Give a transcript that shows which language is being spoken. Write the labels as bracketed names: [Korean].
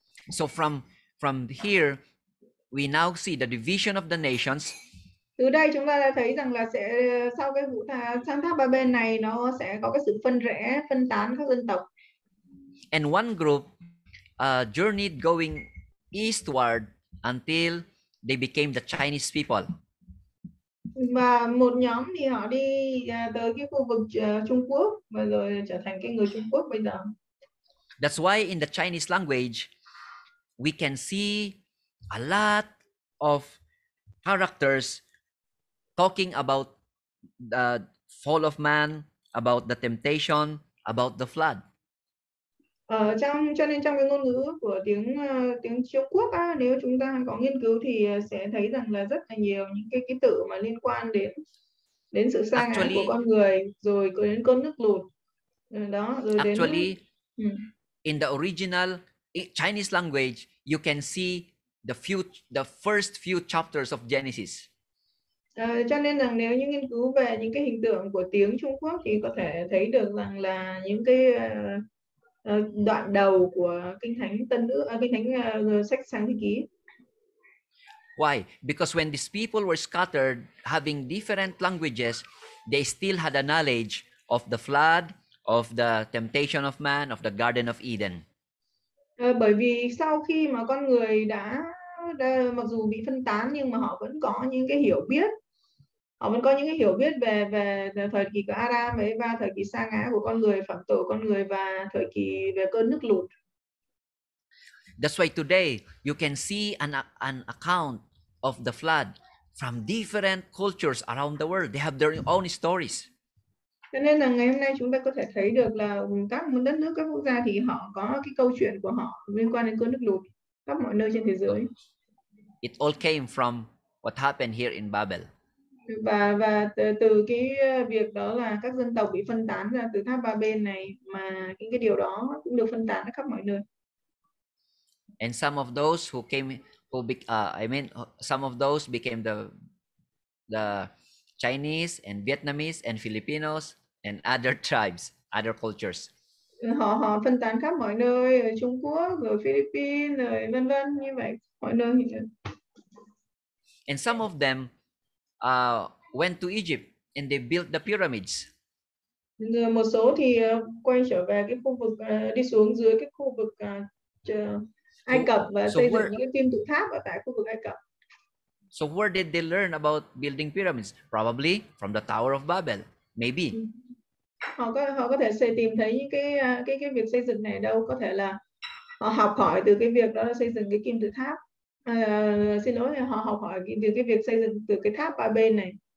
[English] So from here we now see the division of the nations. [Vietnamese] Từ đây chúng ta đã thấy rằng là sẽ sau cái vụ tháp Ba Bên này nó sẽ có cái sự phân rẽ, phân tán các dân tộc. [English] And one group journeyed going eastward until they became the Chinese people. [Vietnamese] Và một nhóm thì họ đi tới cái khu vực Trung Quốc và rồi trở thành cái người Trung Quốc bây giờ. [English] That's why in the Chinese language we can see a lot of characters talking about the fall of man, about the temptation, about the flood. [Vietnamese] Cho nên trong cái ngôn ngữ của tiếng Trung Quốc á, nếu chúng ta có nghiên cứu thì sẽ thấy rằng là rất là nhiều những cái ký tự mà liên quan đến sự sa ngã của con người, rồi đến cơn nước lụt, [English] Actually, in the original Chinese language, you can see the first few chapters of Genesis. [Vietnamese] Cho nên rằng nếu như nghiên cứu về những cái hình tượng của tiếng Trung Quốc thì có thể thấy được rằng là những cái đoạn đầu của Kinh Thánh Tân Ước, Kinh Thánh sách Sáng Thế Ký. [English] Why? Because when these people were scattered having different languages, they still had a knowledge of the flood, of the temptation of man, of the Garden of Eden. [Vietnamese] Bởi vì sau khi mà con người đã mặc dù bị phân tán nhưng mà họ vẫn có những cái hiểu biết. Họ vẫn có những cái hiểu biết về thời kỳ của Adam và Eva, thời kỳ sa ngã của con người, phạm tội con người và thời kỳ về cơn nước lụt. [English] That's why today you can see an account of the flood from different cultures around the world. They have their own stories. [Vietnamese] Cho nên là ngày hôm nay chúng ta có thể thấy được là các đất nước, các quốc gia thì họ có cái câu chuyện của họ liên quan đến cơn nước lụt khắp mọi nơi trên thế giới. [English] It all came from what happened here in Babel. [Vietnamese] Và từ cái việc đó là các dân tộc bị phân tán ra từ tháp Babel này, mà cái điều đó cũng được phân tán khắp mọi nơi. [English] And some of those who came, who be, I mean, some of those became the Chinese and Vietnamese and Filipinos and other tribes, other cultures. [Vietnamese] Họ phân tán khắp mọi nơi, ở Trung Quốc, ở Philippines, ở vân vân như vậy, mọi nơi. [English] And some of them went to Egypt and they built the pyramids. [Vietnamese] Một số thì quay trở về cái khu vực đi xuống dưới cái khu vực Ai Cập và xây dựng những cái kim tự tháp ở tại khu vực Ai Cập. [English] So where did they learn about building pyramids? Probably from the Tower of Babel, maybe. [Vietnamese] Họ có thể sẽ tìm thấy những cái việc xây dựng này đâu? Có thể là họ học hỏi từ cái việc đó là xây dựng cái kim tự tháp. Xin lỗi, họ học hỏi từ cái việc xây dựng từ cái tháp Babel này.